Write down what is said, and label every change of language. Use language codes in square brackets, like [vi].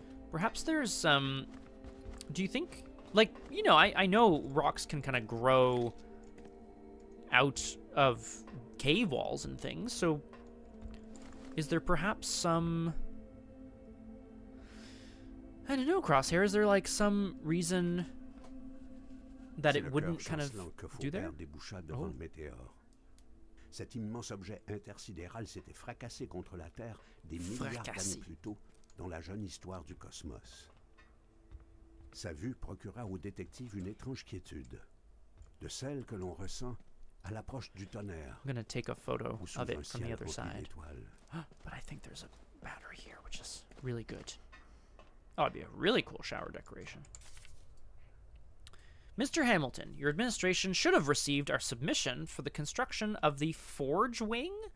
[en] Perhaps there's some... Do you think... Like, you know, I know rocks can kind of grow out of cave walls and things, so... Is there perhaps some... I don't know, Crosshair. Is there, like, some reason that it wouldn't kind of do there? Oh. [fr] Cet immense objet intersidéral s'était fracassé contre la Terre des milliards d'années plus tôt dans la jeune histoire du cosmos. Sa vue procura au détective une étrange quiétude, de celle que l'on ressent à l'approche du tonnerre. [en] I'm gonna take a photo of it from the other side. But I think there's a battery here, which is really good. Oh, it'd be a really cool shower decoration. Mr. Hamilton, your administration should have received our submission for the construction of the Forge Wing.